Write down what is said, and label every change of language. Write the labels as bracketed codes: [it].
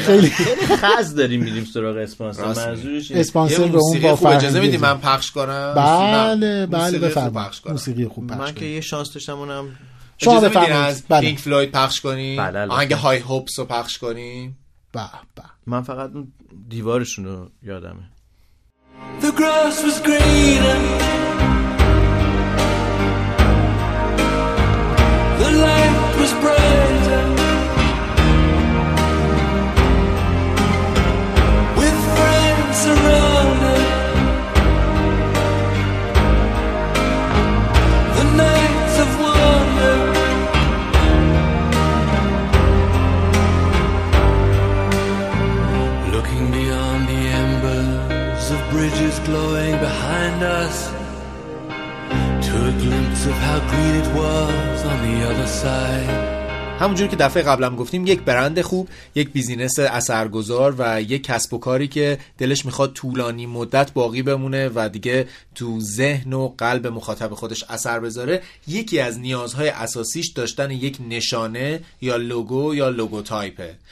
[fa] خیلی خز داریم میدیم سراغ اسپانسر منظورش اسپانسر به اون با فرهنگی اجازه میدیم من پخش کنم بله بله بفرمایید موسیقی خوب پخش من که یه شانس داشتم اونم اجازه میدین از پینک فلوید پخش کنیم آهنگ های هوپس رو پخش کنیم به به من فقط اون دیوارشون رو یادمه [en] The grass was greener The light was brighter With friends around her The nights of wonder Looking beyond the Of bridges glowing behind us to a glimpse of how green it was on the other side [fa] همونجوری که دفعه قبلم گفتیم، یک برند خوب، یک بیزینس اثرگذار و یک کسب و کاری که دلش میخواد طولانی مدت باقی بمونه و دیگه تو ذهن و قلب مخاطب خودش اثر بذاره، یکی از نیازهای اساسیش داشتن یک نشانه یا لوگو یا لوگوتایپه.